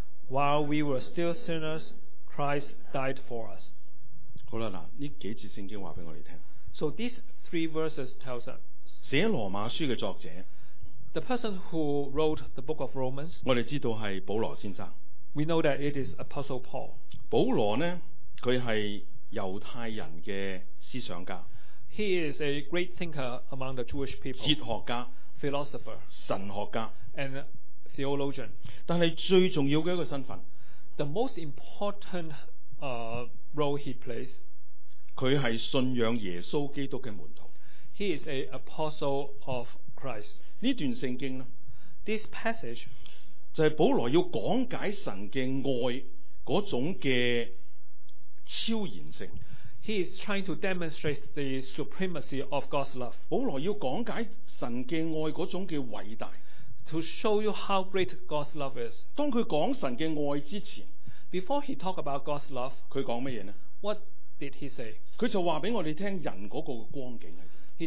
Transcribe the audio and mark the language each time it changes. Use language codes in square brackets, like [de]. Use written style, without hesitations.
[en] While we were still sinners, Christ died for us. [yue] 好啦，嗱，呢几节圣经话俾我哋听。 [en] So these three verses tells us. [yue] 写罗马书嘅作者。 [en] The person who wrote the book of Romans. [yue] 我哋知道系保罗先生。 [en] We know that it is Apostle Paul. [yue] 保罗呢，佢系犹太人嘅思想家。 [en] He is a great thinker among the Jewish people. [yue] 哲學家 [en] philosopher, [yue] 神學家 [en] and theologian. [yue] 但係最重要嘅一個身份 [en] the most important role he plays. [yue] 佢係信仰耶穌基督嘅門徒 [en] He is an apostle of Christ. [yue] 呢段聖經呢 [en] This passage [yue] 就係保羅要講解神嘅愛嗰種嘅超然性。 [en] He is trying to demonstrate the supremacy of God's love. [yue] 保罗要讲解神嘅爱嗰种嘅伟大。 [en] To show you how great God's love is. [yue] 当佢讲神嘅爱之前 [en] ，before he talk about God's love， [yue] 佢讲乜嘢呢 [en] ？What did he say？ [yue] 佢就话俾我哋听人嗰个光景系。